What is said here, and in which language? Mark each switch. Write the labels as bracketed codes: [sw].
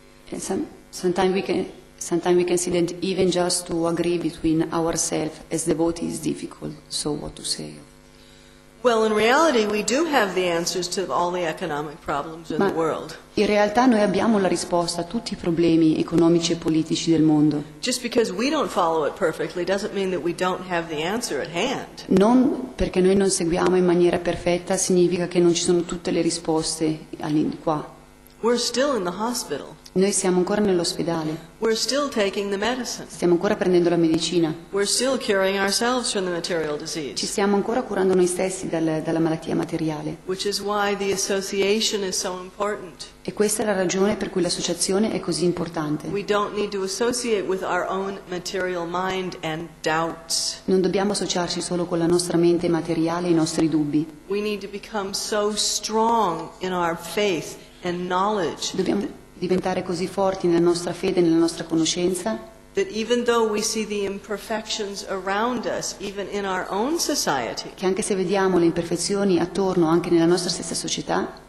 [en] And sometimes we can see that even just to agree between ourselves as devotees is difficult. So what to say? Well, in reality, we do have the answers to all the economic problems in the world. [it] In realtà noi abbiamo la risposta a tutti i problemi economici e politici del mondo. [en] Just because we don't follow it perfectly doesn't mean that we don't have the answer at hand. [it] Non perché noi non seguiamo in maniera perfetta significa che non ci sono tutte le risposte qua. [en] We're still in the hospital. [it] Noi siamo ancora nell'ospedale. [en] We're still taking the medicine. [it] Stiamo ancora prendendo la medicina. [en] We're still curing ourselves from the material disease. [it] Ci stiamo ancora curando noi stessi dalla malattia materiale. [en] Which is why the association is so important. [it] E questa è la ragione per cui l'associazione è così importante. [en] We don't need to associate with our own material mind and doubts. [it] Non dobbiamo associarci solo con la nostra mente materiale e i nostri dubbi. [en] We need to become so strong in our faith and knowledge. [it] Dobbiamo diventare così forti nella nostra fede e nella nostra conoscenza che anche se vediamo le imperfezioni attorno anche nella nostra stessa società